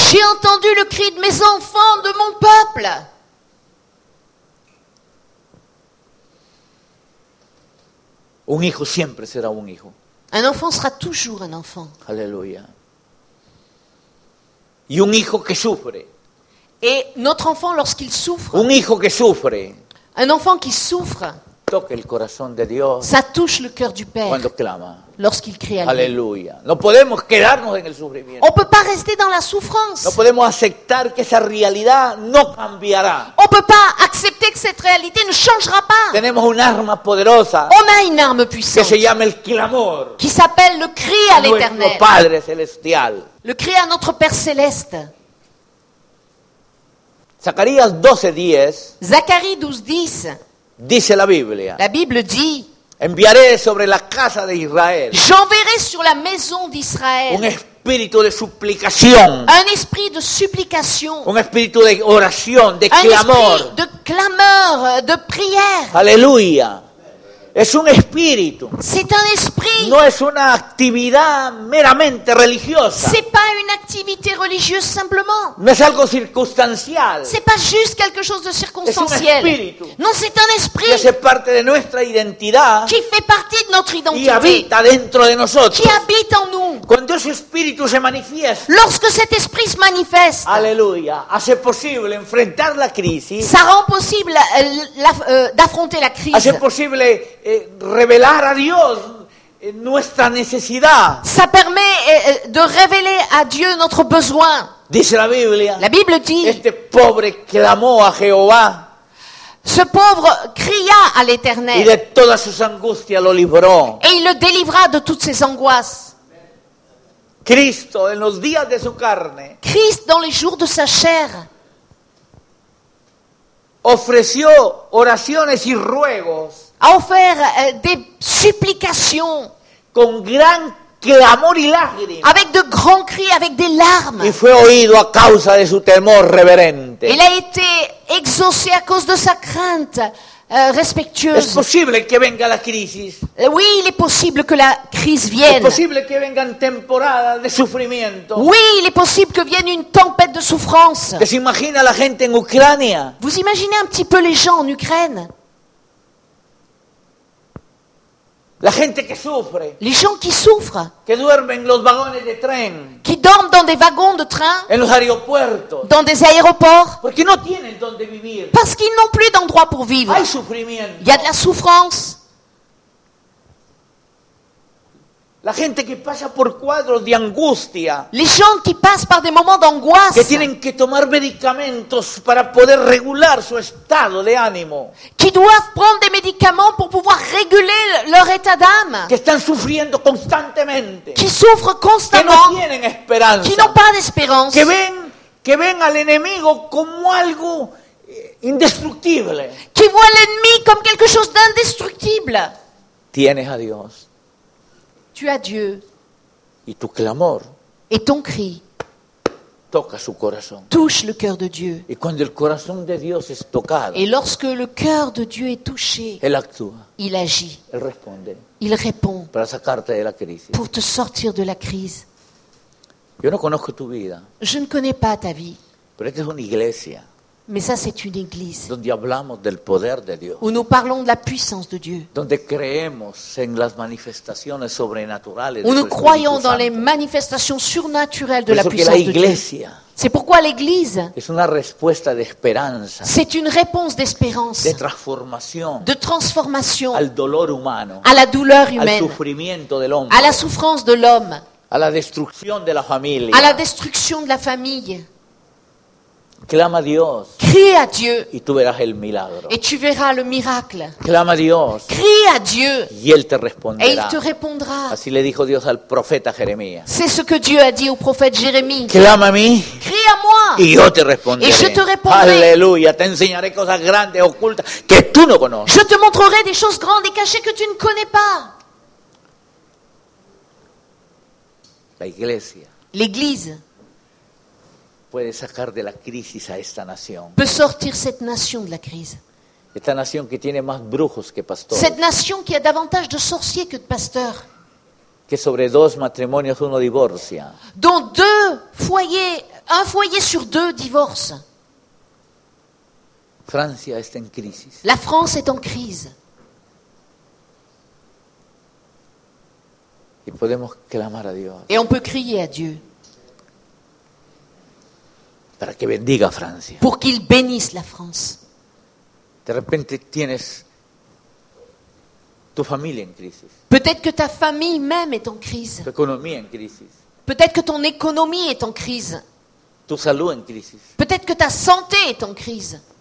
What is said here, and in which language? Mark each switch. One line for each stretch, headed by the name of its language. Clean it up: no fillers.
French: J'ai entendu le cri de mes enfants, de mon peuple.
Spanish: Un hijo siempre será un hijo.
French: Un enfant sera toujours un enfant.
Spanish: Aleluya. Y un hijo que sufre.
French: Et notre enfant lorsqu'il souffre.
Spanish: Un hijo que sufre.
French: Un enfant qui souffre.
Spanish: Toque el corazón de Dios.
French: Ça touche le cœur du Père.
Spanish: Cuando clama.
French: Lorsqu'il crie à lui.
Spanish: Aleluya. No podemos quedarnos en el sufrimiento.
French: On peut pas rester dans la souffrance.
Spanish: No podemos aceptar que esa realidad no cambiará.
French: On peut pas accepter que cette réalité ne changera pas.
Spanish: Tenemos un arma poderosa.
French: On a une arme puissante.
Spanish: Que se llama el clamor.
French: Qui s'appelle le cri à l'Éternel.
Spanish: Nuestro Padre celestial.
French: Le cri à notre Père céleste.
Spanish: Zacarías 12:10.
French: Zacarie 12:10.
Spanish: Dice la Biblia.
French: La Bible dit.
Spanish: Enviaré sobre la casa de Israel.
French: J'enverrai sur la maison d'Israël.
Spanish: Un espíritu de suplicación.
French: Un esprit de supplication.
Spanish: Un espíritu de oración, de un clamor.
French: De clameur, de prière.
Spanish: Aleluya. Es un espíritu.
French: C'est un esprit.
Spanish: No es una actividad meramente religiosa.
French: C'est pas une activité religieuse simplement.
Spanish: No es algo circunstancial.
French: C'est pas juste quelque chose de circonstanciel.
Spanish: Es un espíritu.
French: Non, c'est un esprit.
Spanish: Que hace parte de nuestra identidad.
French: Qui fait partie de notre identité.
Spanish: Y habita dentro de nosotros.
French: Qui habite en nous.
Spanish: Cuando ese espíritu se manifiesta.
French: Lorsque cet esprit se manifeste.
Spanish: Aleluya. Hace posible enfrentar la crisis.
French: Ça rend possible d'affronter la crise.
Spanish: Hace posible revelar a Dios nuestra necesidad.
French: Ça permet de révéler à Dieu notre besoin.
Spanish: Dice la Biblia.
French: La Bible dit.
Spanish: Este pobre clamó a Jehová.
French: Ce pauvre cria à l'Éternel.
Spanish: Y de todas sus angustias lo libró.
French: Et il le délivra de toutes ses angoisses.
Spanish: Cristo en los días de su carne.
French: Christ dans les jours de sa chair.
Spanish: Ofreció oraciones y ruegos.
French: A offert des supplications.
Spanish: Con gran clamor y lágrimas.
French: Avec de grands cris, avec des larmes.
Spanish: Y fue oído a causa de su temor reverente.
French: Il a été exaucé à cause de sa crainte respectueuse.
Spanish: Es posible que venga la crisis.
French: Oui, il est possible que la crise vienne.
Spanish: Es posible que vengan temporadas de sufrimiento.
French: Oui, il est possible que vienne une tempête de souffrance.
Spanish: ¿Se imagina la gente en Ucrania?
French: Vous imaginez un petit peu les gens en Ukraine?
Spanish: La gente que sufre.
French: Les gens qui souffrent.
Spanish: Que duermen los vagones de tren.
French: Qui dorment dans des wagons de train.
Spanish: En los aeropuertos.
French: Dans des aéroports.
Spanish: Porque no tienen donde vivir.
French: Parce qu'ils n'ont plus d'endroit pour vivre.
Spanish: Hay sufrimiento.
French: Y a de la souffrance.
Spanish: La gente que pasa por cuadros de angustia.
French: Les gens qui passent par des moments d'angoisse.
Spanish: Que tienen que tomar medicamentos para poder regular su estado de ánimo.
French: Qui doivent prendre des médicaments pour pouvoir réguler leur état d'âme.
Spanish: Que están sufriendo constantemente.
French: Qui souffrent constamment.
Spanish: Que no tienen esperanza.
French: Qui n'ont pas d'espérance.
Spanish: Que ven al enemigo como algo indestructible.
French: Qui voient l'ennemi comme quelque chose d'indestructible.
Spanish: Tienes a Dios.
French: Tu as Dieu.
Spanish: Y tu clamor.
French: Et ton cri.
Spanish: toca su corazón.
French: Touche le cœur de Dieu.
Spanish: Y cuando el corazón de Dios es tocado.
French: Et lorsque le cœur de Dieu est touché.
Spanish: Él actúa.
French: Il agit.
Spanish: Él responde.
French: Il répond.
Spanish: Para sacarte de la crisis.
French: Pour te sortir de la crise.
Spanish: Yo no conozco tu vida.
French: Je ne connais pas ta vie.
Spanish: Pero esta es una iglesia.
French: Mais ça, c'est une église.
Spanish: Donde hablamos del poder de Dios.
French: Où nous parlons de la puissance de Dieu.
Spanish: Donde creemos en las manifestaciones sobrenaturales.
French: Où nous croyons dans les manifestations surnaturelles de la puissance de Dieu.
Spanish: Que la iglesia.
French: C'est pourquoi l'église.
Spanish: Es una respuesta de esperanza.
French: C'est une réponse d'espérance.
Spanish: De transformación.
French: De transformation.
Spanish: Al dolor humano.
French: À la douleur humaine.
Spanish: Al sufrimiento del hombre.
French: À la souffrance de l'homme.
Spanish: A la destrucción de la familia.
French: À la destruction de la famille.
Spanish: Clama a Dios.
French: Crie à Dieu.
Spanish: Y tú verás el milagro.
French: Et tu verras le miracle.
Spanish: Clama a Dios.
French: Crie à Dieu.
Spanish: Y él te responderá.
French: Et il te répondra.
Spanish: Así le dijo Dios al profeta Jeremías.
French: C'est ce que Dieu a dit au prophète Jérémie.
Spanish: Clama a mí.
French: Crie à moi.
Spanish: Y yo te responderé.
French: Et je te répondrai.
Spanish: Aleluya, te enseñaré cosas grandes ocultas que tú no conoces.
French: Je te montrerai des choses grandes et cachées que tu ne connais pas.
Spanish: La iglesia.
French: L'église.
Spanish: Puede sacar de la crisis a esta nación.
French: Peut sortir cette nation de la crise.
Spanish: Esta nación que tiene más brujos que pastores.
French: Cette nation qui a davantage de sorciers que de pasteurs.
Spanish: Que sobre dos matrimonios uno divorcia.
French: Dont deux foyers, un foyer sur deux divorce.
Spanish: Francia está en crisis.
French: La France est en crise.
Spanish: Y podemos clamar a Dios.
French: Et on peut crier à Dieu.
Spanish: Para que bendiga a Francia.
French: Pour qu'il bénisse la France.
Spanish: De repente tienes tu familia en crisis.
French: Peut-être que ta famille même est en crise.
Spanish: Tu economía en crisis.
French: Peut-être que ton économie est en crise.
Spanish: Tu salud en crisis.
French: Peut-être que ta santé est en crise.